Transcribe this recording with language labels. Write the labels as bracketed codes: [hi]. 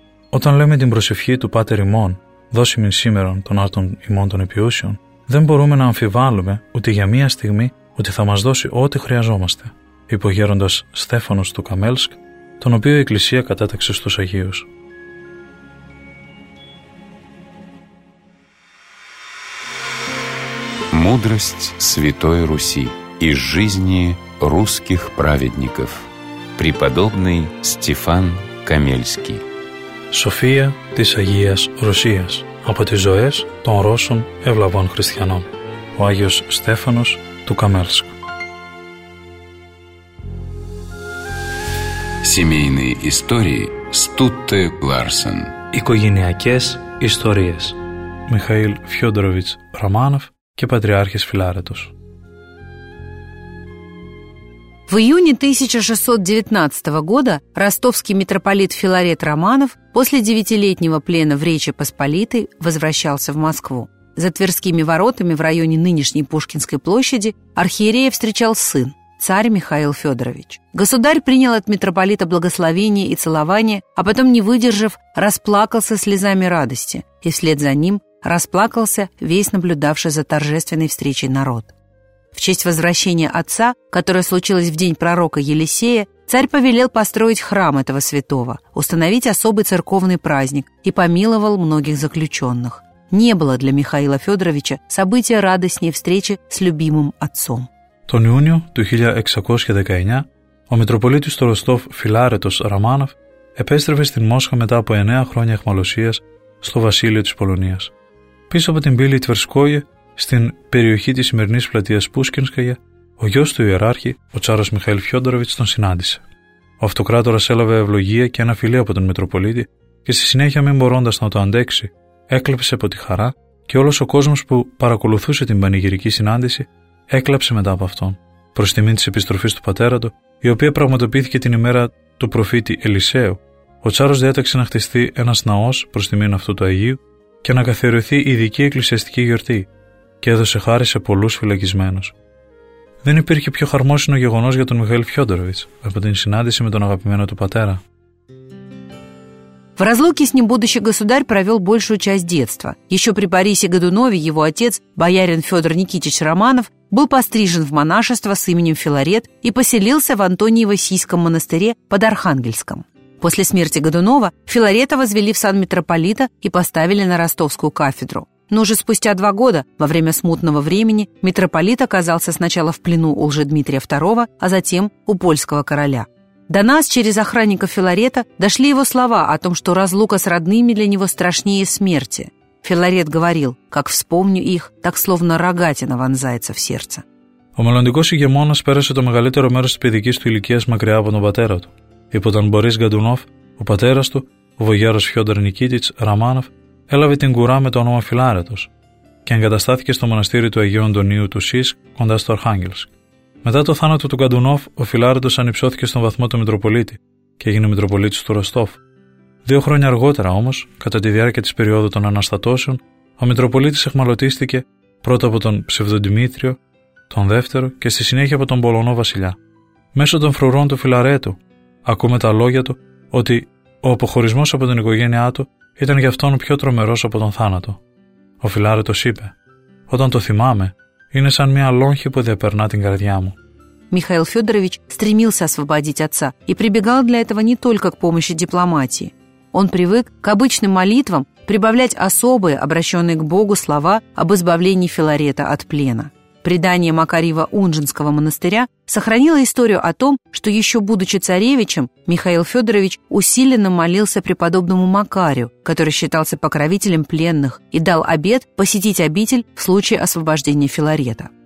[el] Όταν λέμε την προσευχή του Πάτερ ημών, «Δώσε μην σήμερον των άρτων ημών των επιούσιων», δεν μπορούμε να αμφιβάλλουμε ούτε για μία στιγμή ότι θα μας δώσει ό,τι χρειαζόμαστε, είπε ο γέροντας Στέφανος του Καμέλσκ, τον οποίο η Εκκλησία κατέταξε στους Αγίους. [ru] Мудрость Святой Руси из жизни русских праведников. Преподобный Стефан Камельский. [el] София της Αγίας Ρωσίας. Από τις ζωές των Ρώσων ευλαβών χριστιανών. Ο Άγιος Στέφανος του Καμέλσκ. [ru] Семейные истории Стутте Ларсен. [el] Οικογενειακές ιστορίες. Μιχαήλ Φιόντροβιτς Ρωμάνοφ και Πατριάρχης Φιλάρετος. [ru] В июне 1619 года ростовский митрополит Филарет Романов после 9-летнего плена в Речи Посполитой возвращался в Москву. За Тверскими воротами в районе нынешней Пушкинской площади архиерея встречал сын, царь Михаил Федорович. Государь принял от митрополита благословение и целование, а потом, не выдержав, расплакался слезами радости, и вслед за ним расплакался весь наблюдавший за торжественной встречей народ. В честь возвращения отца, которое случилось в день пророка Елисея, царь повелел построить храм этого святого, установить особый церковный праздник и помиловал многих заключенных. Не было для Михаила Федоровича события радостнее встречи с любимым отцом. [el] Τον Ιούνιο του 1619 ο Митрополитος του Ростов Φιλάρετος Романов επέστρεφε στην Μόσχα μετά από 9 χρόνια αιχμαλωσίας στο βασίλειο της Πολωνίας. Πίσω από την πύλη Τверскоє, στην περιοχή της σημερινής πλατείας Πούσκινσκαγια, ο γιος του ιεράρχη, ο τσάρος Μιχαήλ Φιόντοροβιτς, τον συνάντησε. Ο αυτοκράτορας έλαβε ευλογία και ένα φιλί από τον Μητροπολίτη και στη συνέχεια, μην μπορώντας να το αντέξει, έκλαψε από τη χαρά και όλος ο κόσμος που παρακολουθούσε την πανηγυρική συνάντηση έκλαψε μετά από αυτόν, προς τιμή της επιστροφής του πατέρα του, η οποία πραγματοποιήθηκε την ημέρα του προφήτη Ελισαίου. Ο τσάρος διέταξε να χτιστεί ένας ναός προς τιμήν αυτού του Αγίου και να καθιερωθεί ειδική εκκλησιαστική γιορτή και έδωσε χάρη σε πολλούς φυλακισμένους. Δεν υπήρχε πιο χαρμόσυνο γεγονός για τον Μιχαήλ Φιόντοροβιτς από την συνάντηση με τον αγαπημένο του πατέρα. [ru] В разлуке с ним будущий государь провел большую часть детства. Еще при Борисе Годунове его отец, боярин Федор Никитич Романов, был пострижен в монашество с именем Филарет и поселился в Антониево-Сийском монастыре под Архангельском. После смерти Годунова Филарета возвели в сан митрополита и поставили на ростовскую кафедру. Но уже спустя два года, во время смутного времени, митрополит оказался сначала в плену у Лжедмитрия II, а затем у польского короля. До нас через охранника Филарета дошли его слова о том, что разлука с родными для него страшнее смерти. Филарет говорил: «Как вспомню их, так словно рогатина вонзается в сердце». [el] Ο μελλοντικός ηγεμόνας πέρασε το μεγαλύτερο μέρος της παιδικής του ηλικίας μακριά από τον πατέρα του. Υπό τον Μπορίς Γκαντουνόφ, ο πατέρας του, ο βογιάρος Φιόντορ Νικίτιτς Ραμάνοφ, έλαβε την κουρά με το όνομα Φιλάρετος και εγκαταστάθηκε στο μοναστήρι του Αγίου Αντωνίου του Σίσκ κοντά στο Αρχάγγελσκ. Μετά το θάνατο του Γκαντουνόφ, ο Φιλάρετος ανυψώθηκε στον βαθμό του Μητροπολίτη και έγινε Μητροπολίτης του Ροστόφ. Δύο χρόνια αργότερα όμως, κατά τη διάρκεια της περίοδου των Αναστατώσεων, ο Μητροπολίτης εχμαλωτίστηκε πρώτα από τον Ψευδοντιμήτριο, τον δεύτερο και στη συνέχεια από τον Πολωνό βασιλιά. Μέσω των φρουρών του Φιλαρέτου, ακούμε τα λόγια του ότι ο αποχωρισμός από την οικογένειά του ήταν για αυτόν πιο τρομερός από τον θάνατο. Ο Φιλάρετος είπε: «Όταν το θυμάμαι, είναι σαν μια λόγχη που διαπερνά την καρδιά μου». [ru] Михаил Федорович стремился освободить отца и прибегал для этого не только к помощи дипломатии. Он привык к обычным молитвам прибавлять особые, обращенные к Богу, слова об избавлении Филарета от плена. Предание Макарьево-Унжинского монастыря сохранило историю о том, что еще будучи царевичем, Михаил Федорович усиленно молился преподобному Макарию, который считался покровителем пленных, и дал обет посетить обитель в случае освобождения Филарета.